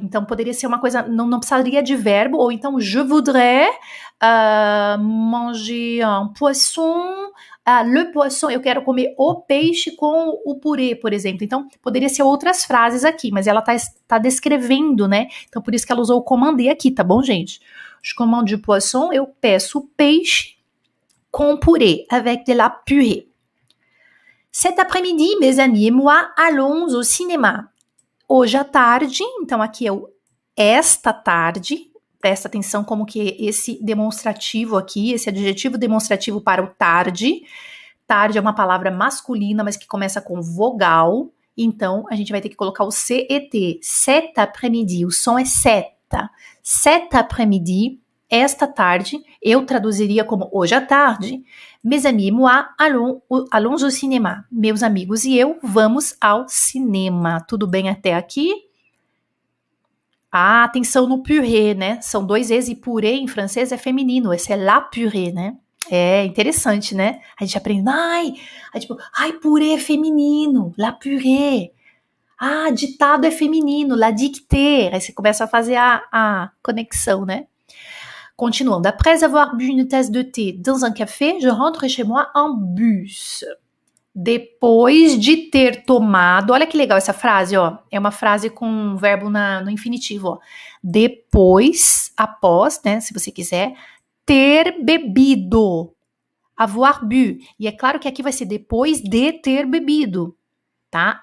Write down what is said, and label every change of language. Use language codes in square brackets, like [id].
[pt] Então poderia ser uma coisa, não precisaria de verbo, ou então [fr] je voudrais manger un poisson. [pt] Ah, le poisson, eu quero comer o peixe com o purê, por exemplo. Então, poderia ser outras frases aqui, mas ela tá descrevendo, né? Então, por isso que ela usou o commander aqui, tá bom, gente? [fr] Je commande du poisson, [pt] eu peço peixe com purê, [fr] avec de la purée. Cet après-midi, mes amis et moi allons au cinéma. [pt] Hoje à tarde, então aqui é o esta tarde. Presta atenção como que esse demonstrativo aqui, esse adjetivo demonstrativo para o tarde. Tarde é uma palavra masculina, mas que começa com vogal. Então, a gente vai ter que colocar o CET. [fr] Cet après-midi. [pt] O som é seta. Cet après-midi, esta tarde, eu traduziria como hoje à tarde. [fr] Mes amis, moi, allons au cinéma. [pt] Meus amigos e eu vamos ao cinema. Tudo bem até aqui? Ah, atenção no purée, né? São dois es e purée em francês é feminino. Esse é la purée, né? É interessante, né? A gente aprende. Ai! Aí, tipo, ai, purée é feminino. La purée. Ah, ditado é feminino. La dictée. Aí você começa a fazer a conexão, né? Continuando. [fr] Après avoir bu une tasse de thé dans un café, je rentre chez moi en bus. [pt] Depois de ter tomado, olha que legal essa frase, ó. É uma frase com um verbo no infinitivo, ó. Depois, após, né? Se você quiser, ter bebido. Avoir bu. E é claro que aqui vai ser depois de ter bebido, tá?